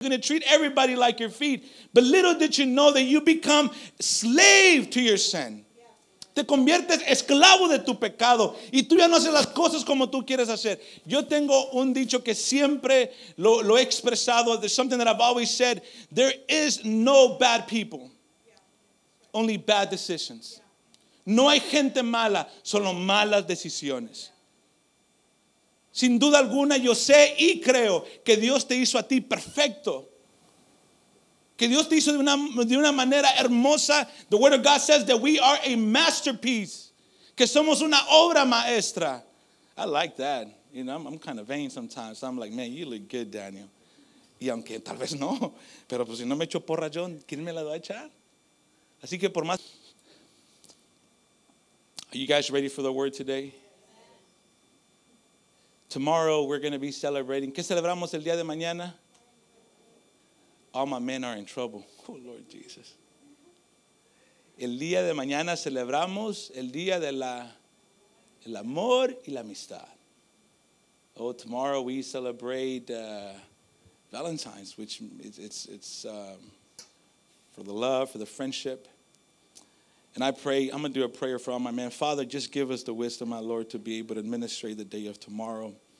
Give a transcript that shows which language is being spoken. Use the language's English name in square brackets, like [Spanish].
[English] You're going to treat everybody like your feet. But little did you know that you become slave to your sin. [Spanish] Te conviertes esclavo de tu pecado. Y tú ya no haces las cosas como tú quieres hacer. Yo tengo un dicho que siempre lo he expresado. [English] There's something that I've always said. There is no bad people. Only bad decisions. [Spanish] No hay gente mala. Solo malas decisiones. Sin duda alguna, yo sé y creo que Dios te hizo a ti perfecto. Que Dios te hizo de una manera hermosa. [English] The word of God says that we are a masterpiece. [Spanish] Que somos una obra maestra. [English] I like that. You know, I'm kind of vain sometimes. So I'm like, man, you look good, Daniel. [Spanish] Y aunque tal vez no. Pero pues si no me echo porra yo, ¿quién me la va a echar? Así que por más. [English] Are you guys ready for the word today? Tomorrow we're going to be celebrating. [Spanish] ¿Qué celebramos el día de mañana? [English] All my men are in trouble. Oh, Lord Jesus. [Spanish] El día de mañana celebramos el día de la el amor y la amistad. [English] Oh, tomorrow we celebrate Valentine's, which it's for the love, for the friendship. And I pray, I'm going to do a prayer for all my men. Father, just give us the wisdom, my Lord, to be able to administrate the day of tomorrow.